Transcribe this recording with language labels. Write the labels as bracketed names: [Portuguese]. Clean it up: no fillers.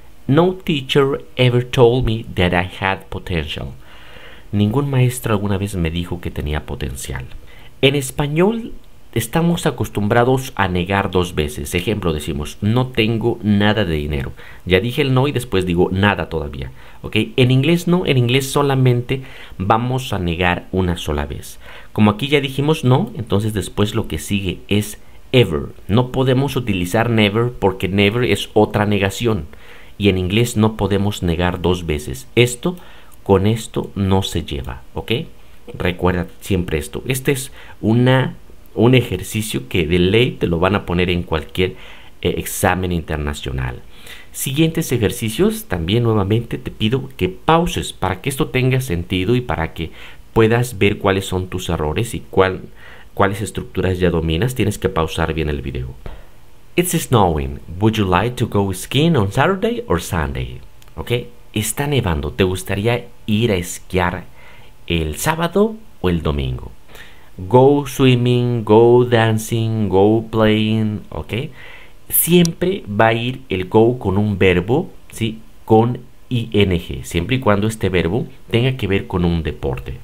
[English] No teacher ever told me that I had potential. [Spanish] Ningún maestro alguna vez me dijo que tenía potencial. En español estamos acostumbrados a negar dos veces. Ejemplo, decimos, no tengo nada de dinero. Ya dije el no y después digo nada todavía. ¿Okay? En inglés no, en inglés solamente vamos a negar una sola vez. Como aquí ya dijimos no, entonces después lo que sigue es ever. No podemos utilizar never porque never es otra negación. Y en inglés no podemos negar dos veces. Esto con esto no se lleva, ¿ok? Recuerda siempre esto. Este es un ejercicio que de ley te lo van a poner en cualquier examen internacional. Siguientes ejercicios, también nuevamente te pido que pauses para que esto tenga sentido y para que puedas ver cuáles son tus errores y cuáles estructuras ya dominas. Tienes que pausar bien el video. [English] It's snowing. Would you like to go skiing on Saturday or Sunday? [Spanish] Okay. Está nevando. ¿Te gustaría ir a esquiar el sábado o el domingo? [English] Go swimming, go dancing, go playing. Okay. [Spanish] Siempre va a ir el go con un verbo, ¿sí? Con ing. Siempre y cuando este verbo tenga que ver con un deporte.